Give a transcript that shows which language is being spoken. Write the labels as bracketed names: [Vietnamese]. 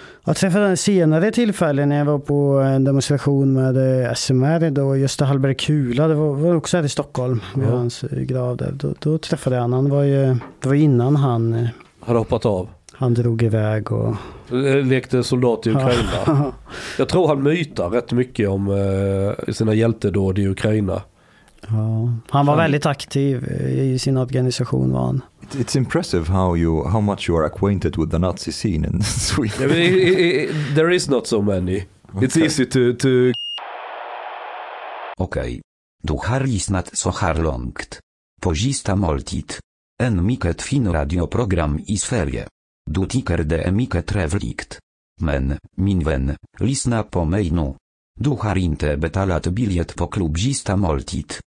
[Swedish] Jag träffade den senare tillfället när jag var på en demonstration med SMR då, Gösta Hallberg Kula, det var också här i Stockholm vid hans grav där. Då träffade jag han var ju, det var innan han hade hoppat av. Han drog iväg och lekte soldat i Ukraina. Jag tror han myter rätt mycket om sina hjältedåd i Ukraina. Ja, han var väldigt aktiv i sin organisation var han. [English] It's impressive how much you are acquainted with the Nazi scene in Sweden. I mean, there is not so many. Okay. It's easy to. Okay. [Swedish] Du har lyssnat så här långt. På sista måltid. En mycket fin radioprogram i Sverige. Du tycker det är mycket trevligt. Men, min vän, lyssna på mig nu. Du har inte betalat biljet på klubb sista måltid.